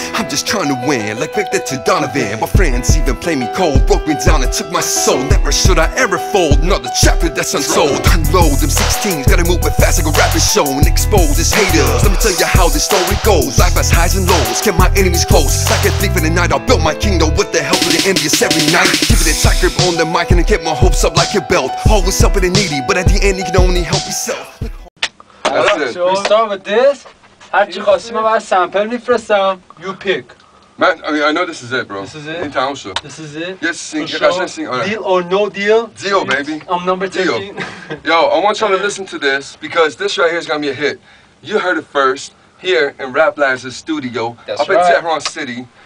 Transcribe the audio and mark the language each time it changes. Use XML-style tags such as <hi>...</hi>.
<en>I'm just trying to win, like Victor to Donovan My friends even play me cold Broke me down and took my soul Never should I ever fold Another chapter that's unsold Unload them 16s Gotta move it fast like a rapid show And expose his haters Let me tell you how this story goes Life has highs and lows Kept my enemies close Like a thief in the night I built my kingdom With the help of the envious every night Give it a tight grip on the mic And I kept my hopes up like a belt Always helping the needy But at the end you can only help yourself Alright, we start with this.</en> <fa>هرچی خواستی ما باید سمپل میفرستم.</fa> <en>You pick. Man, I mean, I know this is it, bro. This is it. In town, sure. This is it. Yes, sing. For sure. Sing. Right. Deal or no deal? Deal, baby. I'm number 13. Yo, I want y'all to listen to this because this right here is gonna be a hit. You heard it first here in Raplarzeh's studio. That's right. Up in Tehran City.</en>